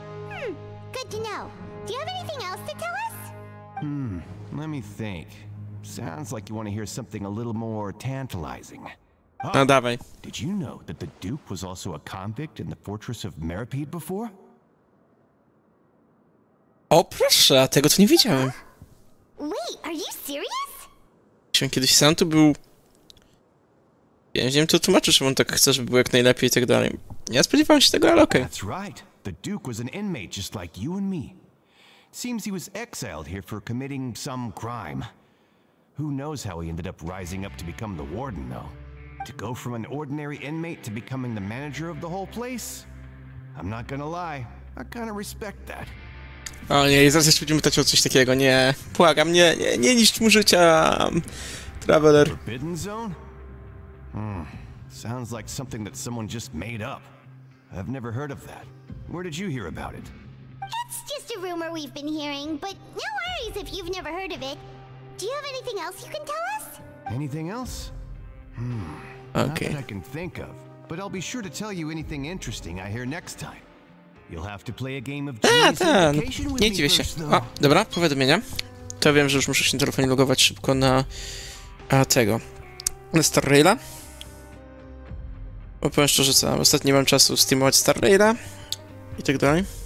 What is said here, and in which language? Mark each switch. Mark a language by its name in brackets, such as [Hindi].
[English] Hmm, good to know. Do you have anything else to tell us? Hmm, let me think. Sounds like you want to hear something a little more tantalizing. Oh, [Polish] no, dawaj. [English] Did you know that the Duke was also a convict in the fortress of Meripede before? [Polish] O proszę, tego to nie widziałem. [English] Wait, are you serious? [Polish] Czy on kiedyś sam tu był? Więźniem to tłumaczysz, że on tak chce, żeby był jak najlepiej i tak dalej. Ja spodziewałem się tego, ale okej. [English] That's right. The Duke was an inmate just like you and me. Seems he was exiled here for committing some crime. Who knows how he ended up rising up to become the warden, though. To go from an ordinary inmate to becoming the manager of the whole place? I'm not gonna lie, I kinda respect that. [Polish] O nie, zaraz jeszcze będziemy pytać o coś takiego, nie. Błagam, nie, nie, nie niszcz mu życia, Traveler. [English] Forbidden Zone? Hmm, sounds like something that someone just made up. I've never heard of that. Where did you hear about it? It's just a rumor we've been hearing, but no worries if you've never heard of it. Do you have anything else you can tell us? Anything else? Hmm. Okay. Not that I can think of, but I'll be sure to tell you anything interesting I hear next time. You'll have to play a game of [Polish] Genshin. Nie dziwię się. A, dobra, powiadomienia. To wiem, że już muszę się na telefonie logować szybko na tego. Na Star Raila. Bo powiem szczerze, co, ostatnio nie mam czasu streamować Star Raila i tak dalej.